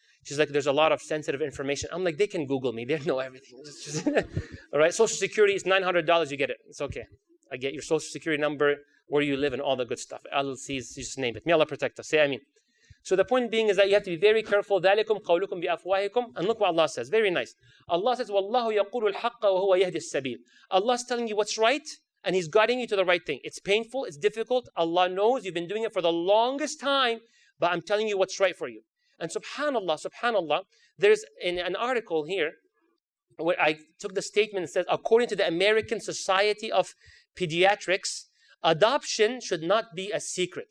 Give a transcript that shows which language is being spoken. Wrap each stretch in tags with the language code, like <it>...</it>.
<en>She's like, there's a lot of sensitive information. I'm like, they can Google me. They know everything. All right, Social Security is $900. You get it. It's okay. I get your Social Security number, where you live, and all the good stuff. LLCs, you just name it. May Allah protect us. See, I mean. So the point being is that you have to be very careful.</en> <ar>ذَلِكُمْ قَوْلُكُمْ بِأَفْوَاهِكُمْ.</ar> <en>And look what Allah says. Very nice. Allah says,</en> <ar>وَاللَّهُ يَقُولُ الْحَقَّ وَهُوَ يَهْدِي السَّبِيلِ.</ar> <en>Allah is telling you what's right, and He's guiding you to the right thing. It's painful. It's difficult. Allah knows you've been doing it for the longest time, but I'm telling you what's right for you. And subhanAllah, there's an article here where I took the statement that says, according to the American Society of Pediatrics, adoption should not be a secret.</en>